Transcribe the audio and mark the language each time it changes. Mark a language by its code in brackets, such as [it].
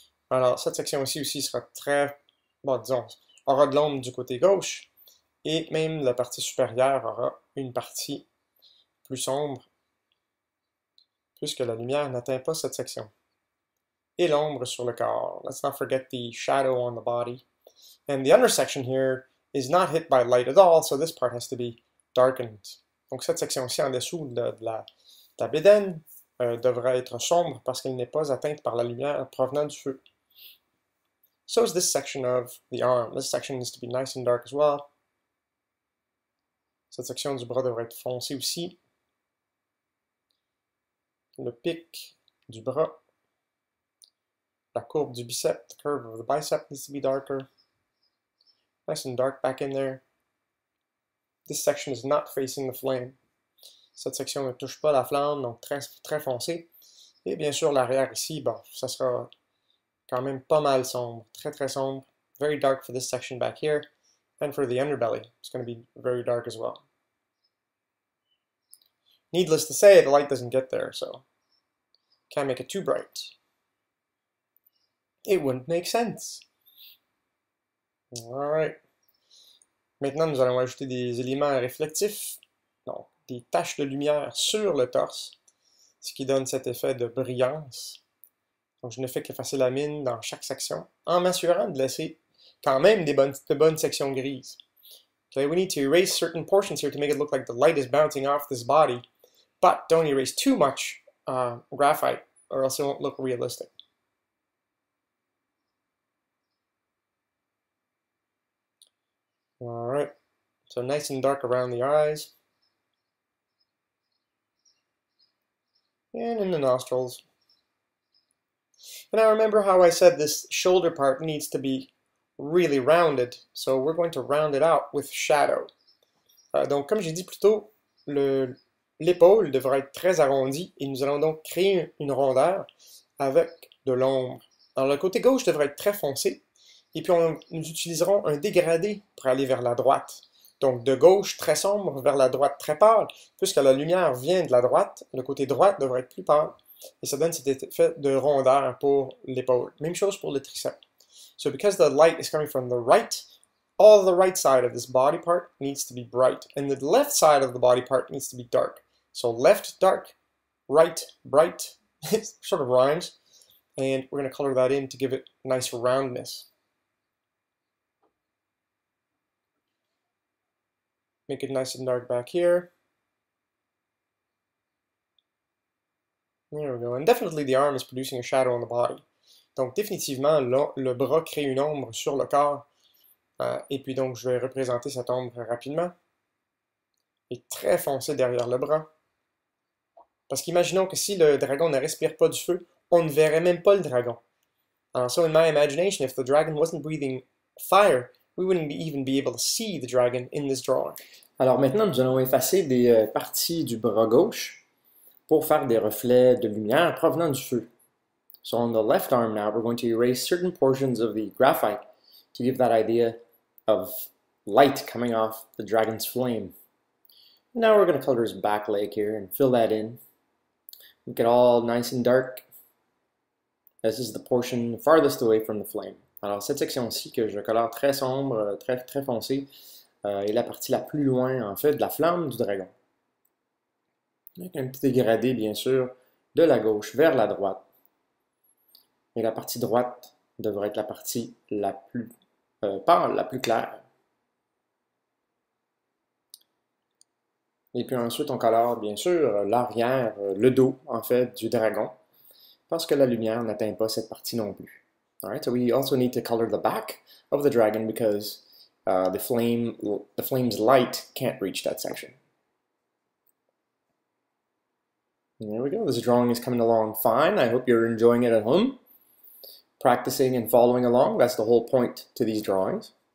[fr] Alors, cette section aussi sera très, bon, disons, aura de l'ombre du côté gauche, et même la partie supérieure aura une partie plus sombre, puisque la lumière n'atteint pas cette section. Et l'ombre sur le corps. [en] Let's not forget the shadow on the body. And the under section here is not hit by light at all, so this part has to be darkened. [fr] Donc cette section-ci en dessous de la bédaine devra être sombre parce qu'elle n'est pas atteinte par la lumière provenant du feu. [en] So is this section of the arm. This section needs to be nice and dark as well. [fr] Cette section du bras devrait être foncée aussi. Le pic du bras. La courbe du bicep, [en] the curve of the bicep needs to be darker. Nice and dark back in there. This section is not facing the flame. [fr] Cette section ne touche pas la flamme, donc très, très foncée. Et bien sûr, l'arrière ici, bon, ça sera quand même pas mal sombre. Très, très sombre. [en] Very dark for this section back here. And for the underbelly, it's going to be very dark as well. Needless to say, the light doesn't get there, so can't make it too bright. It wouldn't make sense. All right. [fr] Maintenant, nous allons ajouter des éléments réflectifs. Donc, des taches de lumière sur le torse, ce qui donne cet effet de brillance. Donc, je ne fais qu'effacer la mine dans chaque section, en m'assurant de laisser quand même de bonnes sections grises. [en] Okay, we need to erase certain portions here to make it look like the light is bouncing off this body, but don't erase too much graphite, or else it won't look realistic. All right, so nice and dark around the eyes. And in the nostrils. And now remember how I said this shoulder part needs to be really rounded, so we're going to round it out with shadow. [fr] Donc comme j'ai dit plus tôt, l'épaule devrait être très arrondie et nous allons donc créer une rondeur avec de l'ombre. Alors le côté gauche devrait être très foncé et puis nous utiliserons un dégradé pour aller vers la droite. Donc de gauche très sombre vers la droite très pâle, puisque la lumière vient de la droite, le côté droit devrait être plus pâle et ça donne cet effet de rondeur pour l'épaule. Même chose pour le triceps. [en] So because the light is coming from the right, all the right side of this body part needs to be bright, and the left side of the body part needs to be dark. So left dark, right bright, it sort of rhymes, and we're going to color that in to give it nice roundness. Make it nice and dark back here. There we go, and definitely the arm is producing a shadow on the body. [fr] Donc, définitivement, le bras crée une ombre sur le corps. Et puis, donc, je vais représenter cette ombre rapidement. Et très foncé derrière le bras. Parce qu'imaginons que si le dragon ne respire pas du feu, on ne verrait même pas le dragon. [en] Alors, so in my imagination, if the dragon wasn't breathing fire, we wouldn't even be able to see the dragon in this drawing. [fr] Alors, maintenant, nous allons effacer des parties du bras gauche pour faire des reflets de lumière provenant du feu. [en] So on the left arm now, we're going to erase certain portions of the graphite to give that idea of light coming off the dragon's flame. Now we're going to color his back leg here and fill that in. Make it all nice and dark. This is the portion farthest away from the flame. [fr] Alors cette section-ci que je colore très sombre, très, très foncée, est la partie la plus loin, en fait, de la flamme du dragon. Avec un petit dégradé, bien sûr, de la gauche vers la droite. Et la partie droite devrait être la partie la plus pâle, la plus claire. Et puis ensuite, on colore, bien sûr, l'arrière, le dos, en fait, du dragon, parce que la lumière n'atteint pas cette partie non plus. [en] Alright, so we also need to color the back of the dragon because the flame's light can't reach that section. And there we go, this drawing is coming along fine. I hope you're enjoying it at home. Practicing and following along, that's the whole point to these drawings.